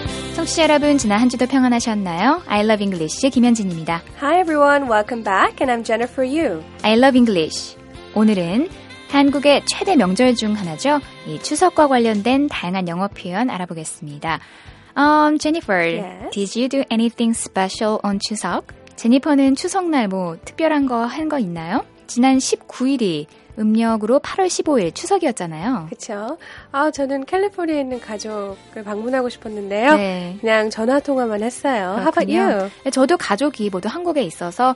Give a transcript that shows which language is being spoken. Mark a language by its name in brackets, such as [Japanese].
[Korean] 시청자 여러분, 지난 한 주도 평안하셨나요? [English] I love English [Korean] 김현진입니다. [English] Hi everyone, welcome back, and I'm Jennifer Yu. I love English. [Korean] 오늘은 한국의 최대 명절 중 하나죠. 이 추석과 관련된 다양한 영어 표현 알아보겠습니다. [English] Jennifer, yes. Did you do anything special on 추석? [Korean] 제니퍼는 추석날 뭐 특별한 거 한 거 있나요? 지난 19일이 음력으로 8월 15일 추석이었잖아요. 그렇죠. 아, 저는 캘리포니아에 있는 가족을 방문하고 싶었는데요. 네. 그냥 전화통화만 했어요. 그렇군요. [English] How about you? [Korean] 저도 가족이 모두 한국에 있어서